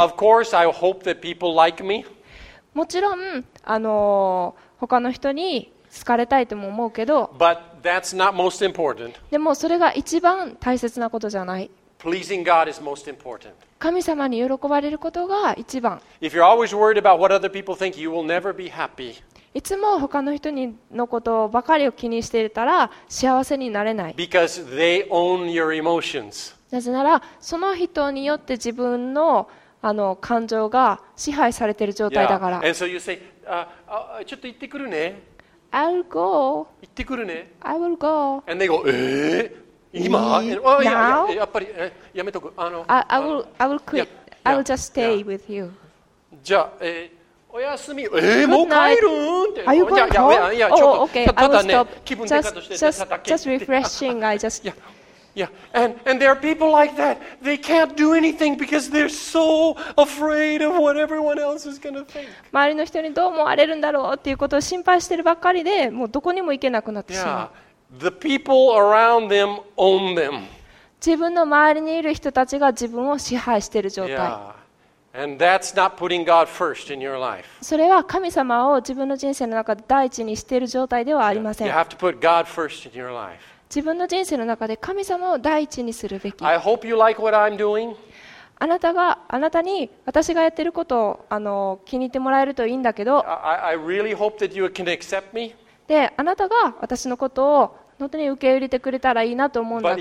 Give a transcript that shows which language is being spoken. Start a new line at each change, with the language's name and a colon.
English: Of course, I hope that people like me.
Japanese: もちろん他の人に好かれたいとも思うけど、
English: But that's not most important.
Japanese: でもそれが一番大切なことじゃない。
English: Pleasing God is most important.
Japanese: 神様に喜ばれることが一番。
English: If you're always worried about what other people think, you will never be happy.
Japanese: いつも他の人のことばかりを気にしていたら幸せになれない。
English: Because they own your emotions.
Japanese: なぜならその人によって自分の感情が支配されている状態だから。
English: Yeah. And so you say,
Japanese: ちょっと行ってくるね。
English: I'll go.
Japanese: 行ってくるね。
English: I will go. And they go,
Japanese: 今？あ、
English: Now?
Japanese: やっぱりやめとく。
English: I will quit. Yeah. I'll just stay yeah. with you.
Japanese: じゃあ。おやすみ。もう帰るん？あ、いや、ちょっと、ただね、気分でカットしてただけ。
English: Just refreshing, I just. Yeah, yeah. And there are people like that. They can't do anything because they're so afraid of what everyone else is gonna think.
Japanese: 周りの人にどう思われるんだろうっていうことを心配してるばっかりで、もうどこにも行けなくなってしまう。
English: Yeah, the people around them own them.
Japanese: 自分の周りにいる人たちが自分を支配している状態。
English: And that's not putting God first in your life.
Japanese: それは神様を自分の人生の中で第一にしている状態ではありません。
English: You have to put God first in your life.
Japanese: 自分の人生の中で神様を第一にするべき。
English: I hope you like what I'm doing.
Japanese: あなたに私がやっていることを気に入ってもらえるといいんだけど。
English: I really hope that you can accept me.
Japanese: で、あなたが私のことを本当に受け入れてくれたらいいなと思うんだ。